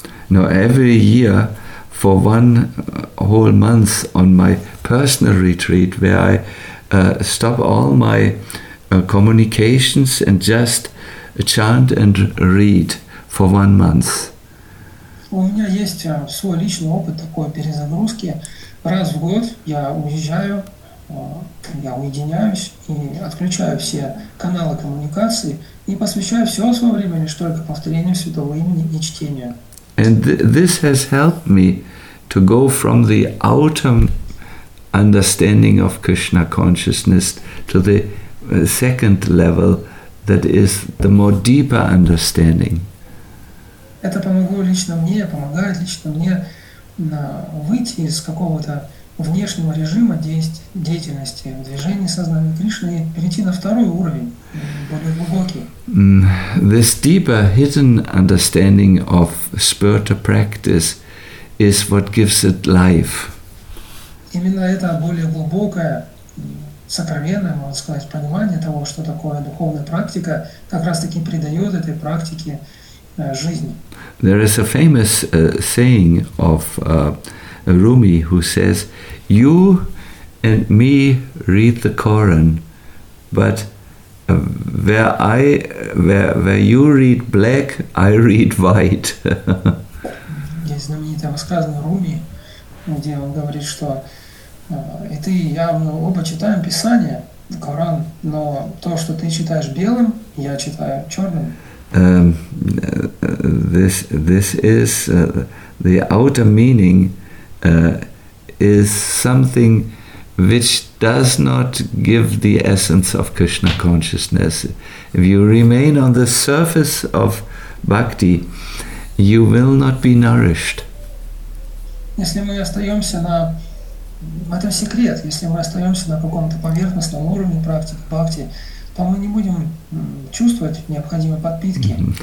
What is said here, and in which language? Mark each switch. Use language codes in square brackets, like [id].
[en] Every year for one whole month on my personal retreat, where I stop all my communications and just chant and read for 1 month. [ru] У меня есть свой личный опыт такой перезагрузки. Раз в год я уезжаю, я уединяюсь и отключаю все каналы коммуникации и посвящаю все свое время лишь только повторению святого имени и чтению. [en] And this has helped me to go from the outer understanding of Krishna consciousness to the second level, that is the more deeper understanding. [ru] Это помогло лично мне, помогает лично мне выйти из какого-то внешнего режима деятельности в движении сознания Кришны и перейти на второй уровень, более глубокий. [en] This deeper hidden understanding of spiritual practice is what gives it life. [ru] Именно это более глубокое, сокровенное, можно сказать, понимание того, что такое духовная практика, как раз-таки придает этой практике жизнь. [en] There is a famous saying of Rumi, who says, "You and me read the Quran, but where you read black, I read white." [ru] Есть знаменитое высказывание Руми, где он говорит, что и ты, и я, мы оба читаем Писание, Коран, но то, что ты читаешь белым, я читаю черным. [en] This is the outer meaning. Is something which does not give the essence of Krishna consciousness. If you remain on the surface of bhakti, you will not be nourished. [ru] Если мы остаемся на этом секрет, если мы остаемся на каком-то поверхностном уровне практики бхакти, то мы не будем чувствовать необходимой подпитки.